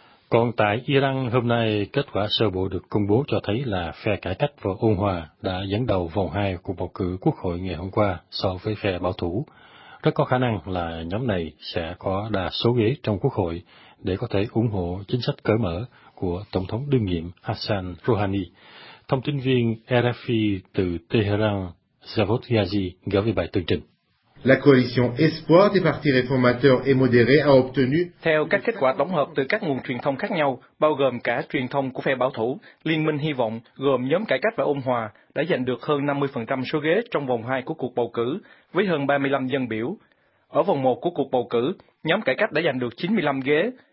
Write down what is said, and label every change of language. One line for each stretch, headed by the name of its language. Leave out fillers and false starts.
Vietnamese: Còn tại Iran, hôm nay kết quả sơ bộ được công bố cho thấy là phe cải cách và ôn hòa đã dẫn đầu vòng 2 cuộc bầu cử quốc hội ngày hôm qua so với phe bảo thủ. Rất có khả năng là nhóm này sẽ có đa số ghế trong quốc hội để có thể ủng hộ chính sách cởi mở của Tổng thống đương nhiệm Hassan Rouhani. Thông tin viên RFI từ Tehran, Javad Ghazi, gửi về bài tường trình.
French: La coalition Espoir des partis réformateurs et modérés a obtenu.
Vietnamese: Theo các kết quả tổng hợp từ các nguồn truyền thông khác nhau, bao gồm cả truyền thông của phe bảo thủ, Liên minh Hy vọng gồm nhóm cải cách và ôn hòa đã giành được hơn 50% số ghế trong vòng 2 của cuộc bầu cử với hơn 35 dân biểu. Ở vòng 1 của cuộc bầu cử, nhóm cải cách đã giành được 95 ghế.